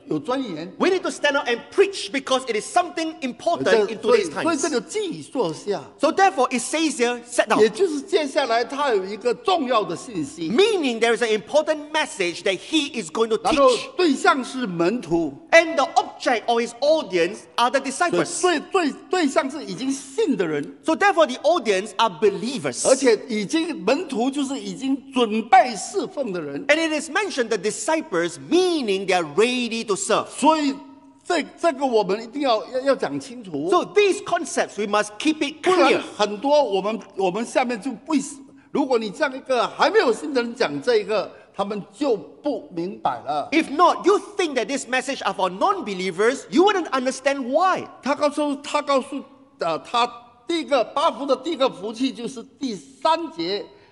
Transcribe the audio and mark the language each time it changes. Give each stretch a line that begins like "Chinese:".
English: We need to stand up and preach because it is something important in today's times.
Chinese: 所以这个记忆坐下,
English: so therefore, it says here, sit down.
Chinese: 也就是接下来他有一个重要的信息,
English: meaning there is an important message that he is going to teach.
Chinese: 然后对象是门徒,
English: and the object of his audience are the disciples.
Chinese: 对象是已经信的人,
English: so therefore, the audience are believers.
Chinese: 而且已经门徒就是已经准备侍奉的人,
English: and it is mentioned the disciples, meaning they are ready to serve.
Chinese: 所以这个我们一定要讲清楚。
English: So these concepts we must keep it clear.
Chinese: 很多我们下面就不, 如果你这样一个还没有信的人讲这个, 他们就不明白了。
English: If not, you think that this message are for non-believers, you wouldn't understand why.
Chinese: 他告诉他第一个八福的第一个福气就是第三节。